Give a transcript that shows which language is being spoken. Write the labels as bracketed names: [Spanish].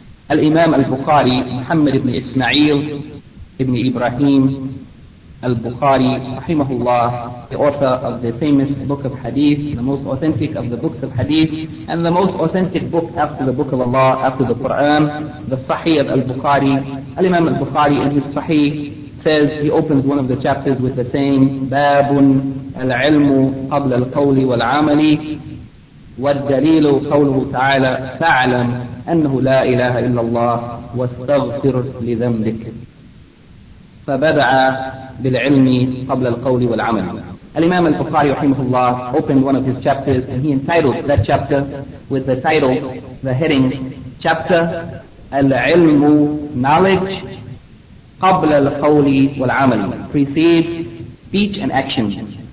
[English] Al-Imam al-Bukhari, Muhammad ibn Ismail ibn Ibrahim al-Bukhari, rahimahullah, the author of the famous book of hadith, the most authentic of the books of hadith, and the most authentic book after the book of Allah, after the Qur'an, the Sahih of al-Bukhari. Al-Imam al-Bukhari in his Sahih says, he opens one of the chapters with the saying, [Arabic] بَابٌ الْعِلْمُ قَبْلَ الْقَوْلِ وَالْعَمَلِ وَالْدَلِيلُ قَوْلُهُ تَعَالَى فَعْلَمْ أَنَّهُ لَا إِلَهَ إِلَّا اللَّهُ وَاسْتَغْفِرْ لِذَنْبِكَ فَبَدَعَ بِالْعِلْمِ قَبْلَ الْقَوْلِ وَالْعَمَلِ. [English] Al-Imam al-Bukhari rahimahullah opened one of his chapters, and he entitled that chapter with the title, the heading, chapter Al-Ilmu, knowledge, [Arabic] قبل القول والعمل, [English] precedes speech and action.